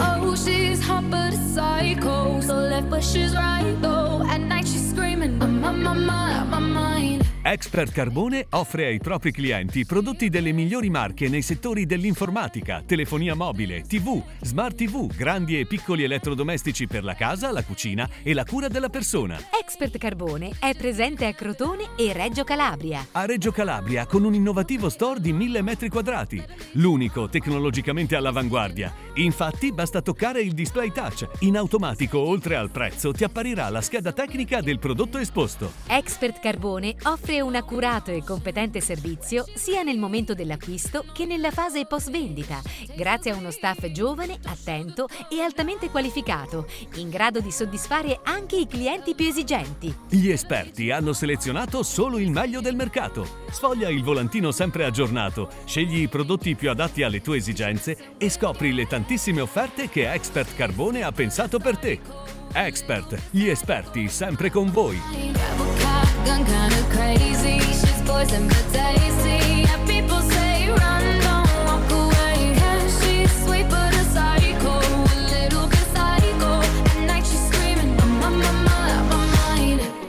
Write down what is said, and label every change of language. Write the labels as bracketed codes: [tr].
[en] Oh, she's hot but a psycho, so left but she's right though. At night she's screaming, I'm on my mind, out my mind. [it] Expert Carbone offre ai propri clienti prodotti delle migliori marche nei settori dell'informatica, telefonia mobile, TV, smart TV, grandi e piccoli elettrodomestici per la casa, la cucina e la cura della persona. Expert Carbone è presente a Crotone e Reggio Calabria. A Reggio Calabria con un innovativo store di 1000 metri quadrati, l'unico tecnologicamente all'avanguardia. Infatti basta toccare il display touch. In automatico, oltre al prezzo, ti apparirà la scheda tecnica del prodotto esposto. Expert Carbone offre un accurato e competente servizio sia nel momento dell'acquisto che nella fase post vendita, grazie a uno staff giovane, attento e altamente qualificato, in grado di soddisfare anche i clienti più esigenti. Gli esperti hanno selezionato solo il meglio del mercato. Sfoglia il volantino sempre aggiornato, scegli i prodotti più adatti alle tue esigenze e scopri le tantissime offerte che Expert Carbone ha pensato per te. Expert, gli esperti sempre con voi. [en] I'm kind of crazy, she's poison but tasty. Yeah, people say run, don't walk away. Cause she's sweet but a psycho, a little bit psycho. At night she's screaming, I'm on my mind, I'm on my mind.